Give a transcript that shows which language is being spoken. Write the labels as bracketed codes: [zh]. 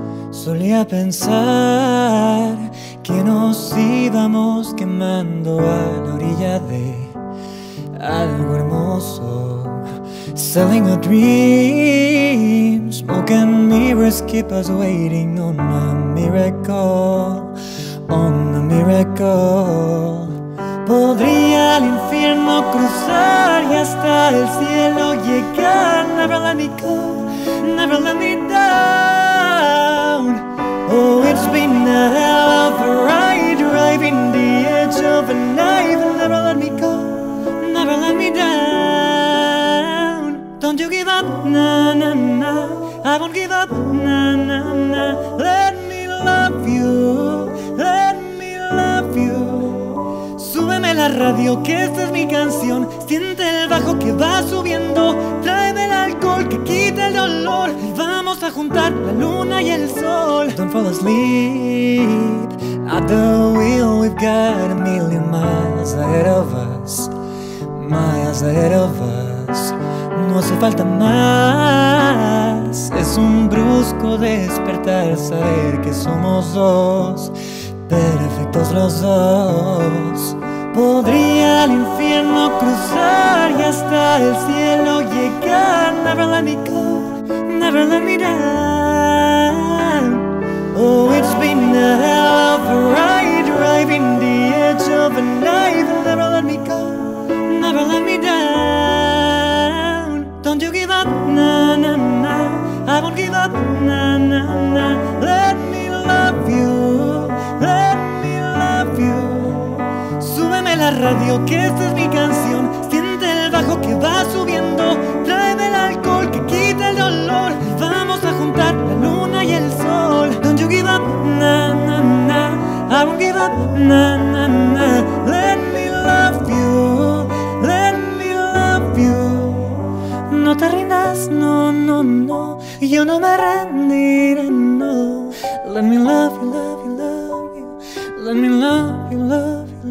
[es] Solía pensar que nos íbamos quemando a la orilla de algo hermoso. [en] Selling a dream, smoking mirrors keep us waiting on a miracle, on a miracle. [es] Podría el infierno cruzar y hasta el cielo llegar. [en] Never let me go, never let me down. Oh, it's been a hell of a ride, driving the edge of a knife. Never let me go, never let me down. Don't you give up, na na na. I won't give up, na na na. Let me love you, let me love you. [es] Súbeme la radio, que esta es mi canción. Siente el bajo que va subiendo. Tráeme el alcohol que quita el dolor. Vamos a juntar la luna y el sol. [en] Don't fall asleep at the wheel. We've got a million miles ahead of us, miles ahead of us. [es] No hace falta más. Es un brusco despertar, saber que somos dos, perfectos los dos. Podría el infierno cruzar y hasta el cielo llegar. [en] Never let me go, never let me down. Oh, it's been a hell of a ride, driving the edge of a knife. Never let me go, never let me down. Don't you give up, na na na. I won't give up, na na na. Let me love you, let me love you. [es] Súbeme la radio, que esta es mi canción. Siente el bajo que va subiendo. Tráeme el alcohol que quita el dolor. Vamos a juntar la luna y el sol. [en] Don't you give up, na na na. I won't give up, na na na. Let me love you, let me love you. [es] No te rindas, no, no, no. Yo no me rendiré, no. [en] Let me love you, love you, love you. Let me love you, love you.